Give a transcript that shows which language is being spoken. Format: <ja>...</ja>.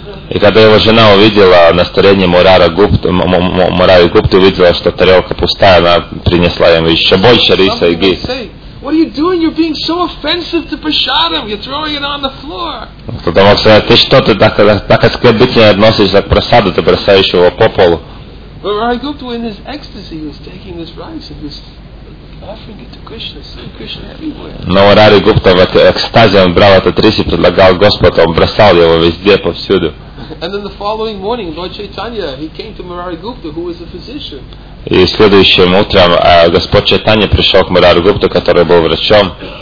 <ru>И когда его жена увидела настроение Мурари Гупты, увидела, что тарелка пустая, она принесла ему еще больше риса и ги.</ru> <en>What are you doing? You're being so offensive to Prasadam. You're throwing it on the floor.</en> <ru>Кто-то мог сказать, ты что, ты так оскорбительно относишься к Прасаду, ты бросаешь его по полу.</ru> <en>But Rai Gupta, in his ecstasy, he was taking this rice and was offering it to Krishna, seeing Krishna everywhere.</en> <ru>Но Rai Gupta в этой экстазе он брал этот рис и предлагал Господу, он бросал его везде, повсюду.</ru> <en>And then the following morning, Lord Chaitanya, he came to Rai Gupta, who was a physician.</en> <ru>И следующим утром Господь Чайтанья пришел к Мурари Гупте, который был врачом.</ru>